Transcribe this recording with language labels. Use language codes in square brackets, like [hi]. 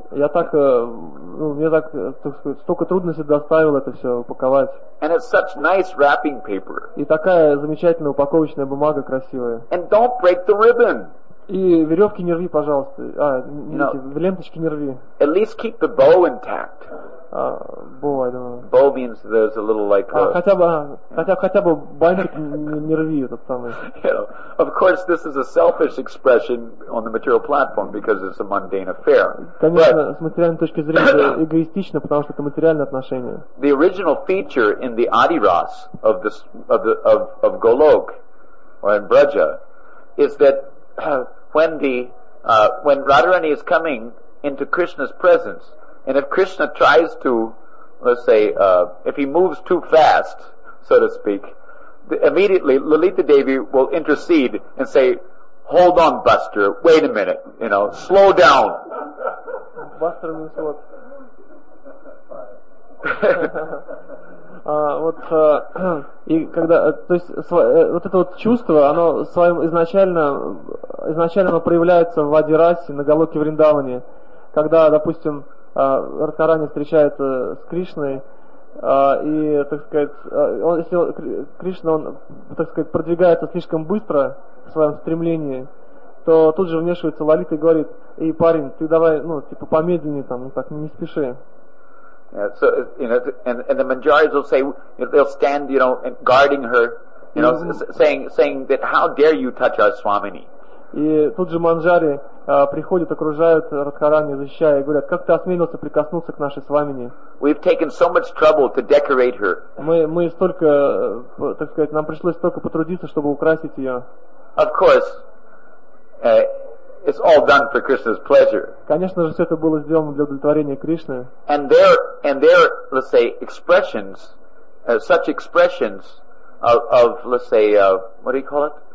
[ru] Я так, ну, мне так, так сказать, столько трудностей доставил это все упаковать. [en] And it's such nice wrapping paper. [ru] И такая замечательная упаковочная бумага красивая. [en] And don't break the ribbon. [ru] И веревки не рви, пожалуйста. А, нити, ленточки не рви. [en] At least keep the bow intact. Bow, I don't know. Bow means there's a little like a... [ru] Хотя бы бантик не рви этот самый. [en] You know, of course, this is a selfish expression on the material platform because it's a mundane affair. [ru] Конечно, с материальной точки зрения эгоистично, потому что это материальные отношения. [en] The original feature in the Adiras of Golok or in Braja is that when Radharani is coming into Krishna's presence, and if Krishna tries to, let's say, if he moves too fast, so to speak, immediately Lalita Devi will intercede and say, "Hold on, Buster, wait a minute, you know, slow down." Buster means what? [ru] Вот и когда, то есть, вот это вот чувство, оно своим изначально оно проявляется в Адирасе, на Голоке Вриндаване, когда, допустим, Радхарани встречается с Кришной, и, так сказать, он, если Кришна, он, так сказать, продвигается слишком быстро в своем стремлении, то тут же вмешивается Лалита и говорит: "Эй, парень, ты давай, ну, типа, помедленнее там, ну так, не спеши." [en] Yeah, so, you know, and the Manjaris will say, you know, they'll stand, you know, and guarding her, you know, saying that, "How dare you touch our Swamini?" [ru] И тут же Манджари приходят, окружают Радхарани, защищая, и говорят: "Как ты осмелился прикоснуться к нашей Свамини?" [en] We've taken so much trouble to decorate her. [ru] Мы столько, так сказать, нам пришлось столько потрудиться, чтобы украсить ее. [en] Of course, it's all done for Krishna's pleasure. [ru] Конечно же, все это было сделано для удовлетворения Кришны. [en] And their, let's say, expressions, such expressions of let's say, what do you call it?